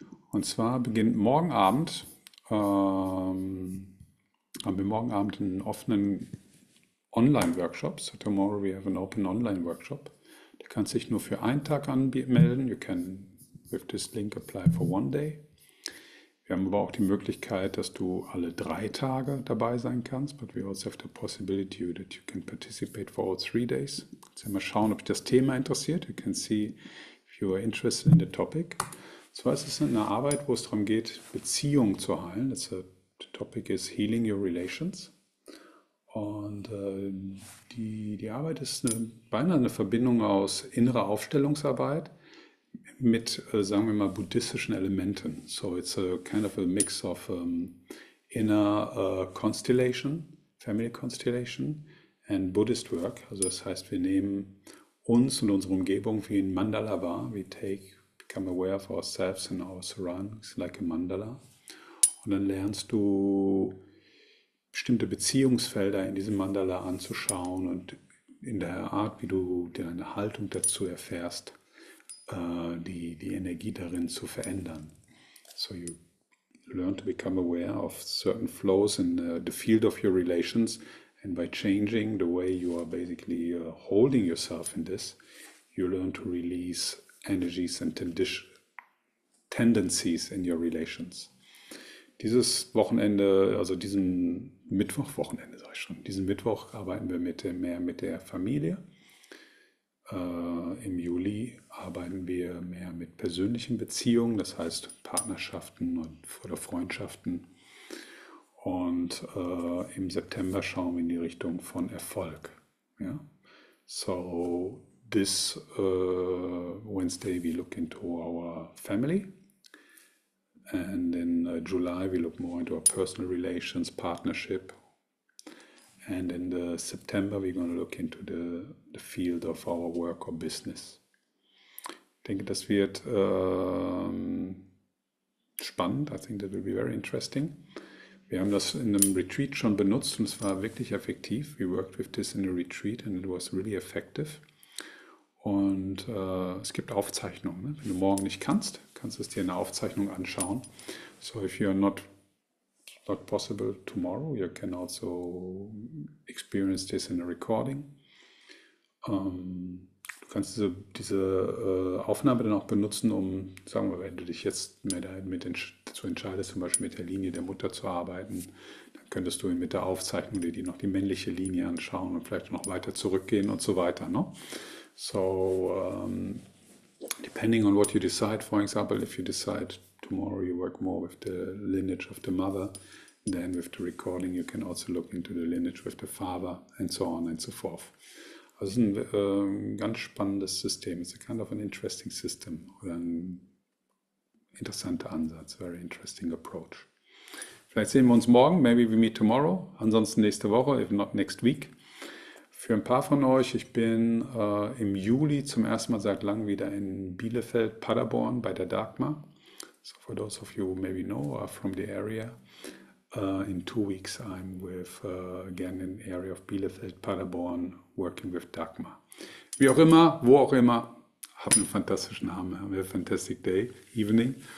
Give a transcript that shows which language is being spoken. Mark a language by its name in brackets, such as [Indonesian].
[German] Und zwar beginnt morgen Abend, haben wir morgen Abend einen offenen Online-Workshop. [English] So tomorrow we have an open Online-Workshop. [German] Du kannst dich nur für einen Tag anmelden. [English] You can with this link apply for one day. [German] Wir haben aber auch die Möglichkeit, dass du alle 3 Tage dabei sein kannst. [English] But we also have the possibility that you can participate for all 3 days. [German] Jetzt mal schauen, ob dich das Thema interessiert. [English] You can see if you are interested in the topic. [German] Zwar ist es eine Arbeit, wo es darum geht, Beziehungen zu heilen. [English] The topic is healing your relations. [German] Und die Arbeit ist beinahe eine Verbindung aus innerer Aufstellungsarbeit mit, sagen wir mal, buddhistischen Elementen. [English] So it's a kind of a mix of inner constellation, family constellation and Buddhist work. [German] Also das heißt, wir nehmen uns und unsere Umgebung wie ein Mandala wahr. [English] We take, become aware of ourselves and our surroundings like a Mandala. [German] Und dann lernst du bestimmte Beziehungsfelder in diesem Mandala anzuschauen und in der Art, wie du deine Haltung dazu erfährst, die Energie darin zu verändern. [English] So you learn to become aware of certain flows in the field of your relations and by changing the way you are basically holding yourself in this, you learn to release energies and tendencies in your relations. [German] Dieses Wochenende, also diesen Mittwochwochenende, sage ich schon. Diesen Mittwoch arbeiten wir mehr mit der Familie. Im Juli arbeiten wir mehr mit persönlichen Beziehungen, das heißt Partnerschaften und oder Freundschaften. Und im September schauen wir in die Richtung von Erfolg. Ja? [English] So, this Wednesday we look into our family. And in July we look more into our personal relations, partnership. And in the September we're going to look into the field of our work or business. [German] Ich denke, das wird spannend. [English] I think that will be very interesting. [German] Wir haben das in einem Retreat schon benutzt und es war wirklich effektiv. [English] We worked with this in a retreat and it was really effective. [German] Und es gibt Aufzeichnungen. Ne? Wenn du morgen nicht kannst, kannst du es dir in der Aufzeichnung anschauen. [English] So, if you're not possible tomorrow, you can also experience this in a recording. [German] Du kannst diese Aufnahme dann auch benutzen, um, sagen wir, wenn du dich jetzt mehr dazu entscheidest, zum Beispiel mit der Linie der Mutter zu arbeiten, dann könntest du mit der Aufzeichnung dir noch die männliche Linie anschauen und vielleicht noch weiter zurückgehen und so weiter. Ne? [English] So, depending on what you decide, for example, if you decide tomorrow you work more with the lineage of the mother, then with the recording you can also look into the lineage with the father and so on and so forth. [German] Das ist ein ganz spannendes System. [English] It's a kind of an interesting system [German] oder ein interessanter Ansatz, [English] very interesting approach. [German] Vielleicht sehen wir uns morgen, [English] maybe we meet tomorrow, [German] ansonsten nächste Woche, [English] if not next week. [German] Für ein paar von euch, ich bin im Juli zum ersten Mal seit langem wieder in Bielefeld, Paderborn bei der Dagmar. [English] So for those of you who maybe know are from the area, in 2 weeks I'm with again in the area of Bielefeld, Paderborn, working with Dagmar. [German] Wie auch immer, wo auch immer, habt einen fantastischen Abend, [English] have a fantastic day, evening.